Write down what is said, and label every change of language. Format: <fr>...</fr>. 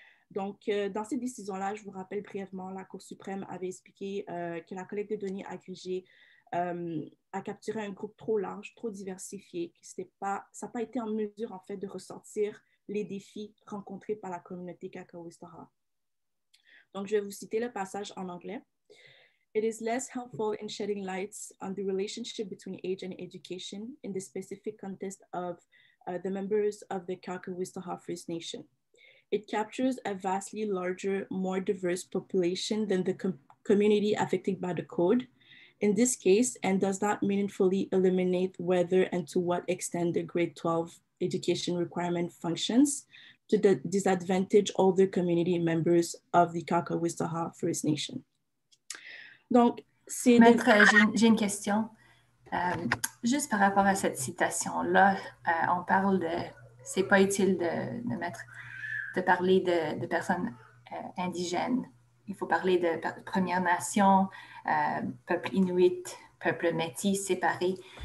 <fr>Donc, dans cette décision-là, je vous rappelle brièvement, la Cour suprême avait expliqué que la collecte de données agrégées a capturé un groupe trop large, trop diversifié, que ça n'a pas été en mesure, en fait, de ressortir les défis rencontrés par la communauté Kakawistaha. Donc, je vais vous citer le passage en anglais.</fr> <en>It is less helpful in shedding lights on the relationship between age and education in the specific context of the members of the Kakawistaha First Nation. It captures a vastly larger, more diverse population than the community affected by the code, in this case, and does not meaningfully eliminate whether and to what extent the grade 12 education requirement functions to the disadvantage of the community members of the Kakawistaha First Nation.</en> <fr>Donc, c'est... Maître, j'ai une question. Juste par rapport à cette citation-là, on parle de... C'est pas utile de parler de personnes indigènes. Il faut parler de Premières Nations, peuple Inuit, peuple Métis, séparés.</fr>